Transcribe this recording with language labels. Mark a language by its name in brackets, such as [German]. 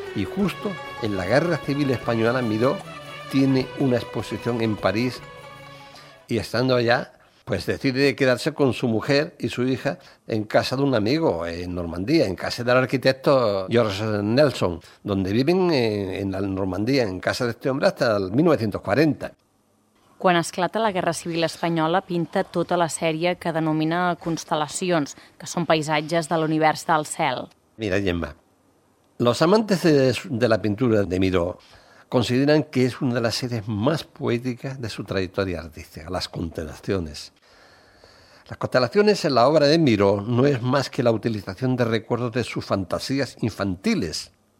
[Spanish] Y justo en la Guerra Civil Española Miró tiene una exposición en París. Y estando allá, pues decide quedarse con su mujer y su hija en casa de un amigo en Normandía, en casa del arquitecto George Nelson, donde viven en la Normandía, en casa de este hombre, hasta el 1940. [Catalan] Quan esclata la Guerra Civil Espanyola, pinta tota la sèrie que denomina Constel·lacions, que són paisatges de l'univers del cel. [Spanish] Mira, Gemma, los amantes de la pintura de Miró consideran que es una de las series más poéticas de su trayectoria artística, Las Constelaciones. Las constelaciones en la obra de Miró no es más que la utilización de recuerdos de sus fantasías infantiles.